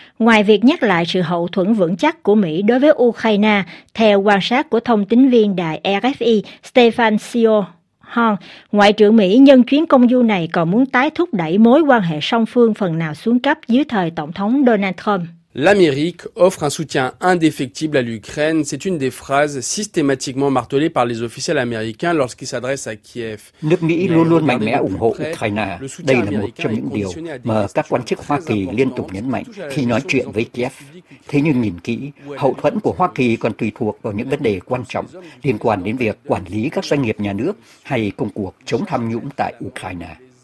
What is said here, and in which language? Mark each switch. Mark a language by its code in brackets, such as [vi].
[vi] Ngoài việc nhắc lại sự hậu thuẫn vững chắc của Mỹ đối với Ukraine, theo quan sát của thông tín viên đài RFI Stefan Sio Hong, Ngoại trưởng Mỹ nhân chuyến công du này còn muốn tái thúc đẩy mối quan hệ song phương phần nào xuống cấp dưới thời Tổng thống Donald Trump. [fr] L'Amérique offre un soutien indéfectible à l'Ukraine, c'est une des phrases systématiquement martelées par les officiels américains lorsqu'ils s'adressent à Kiev. [vi] Nước Mỹ luôn luôn mạnh mẽ ủng hộ Ukraine. Đây là một trong những điều mà các quan chức Hoa Kỳ liên tục nhấn mạnh khi nói chuyện với Kiev. Thế nhưng nhìn kỹ, hậu thuẫn của Hoa Kỳ còn tùy thuộc vào những vấn đề quan trọng liên quan đến việc quản lý các doanh nghiệp nhà nước hay công cuộc chống tham nhũng tại Ukraine.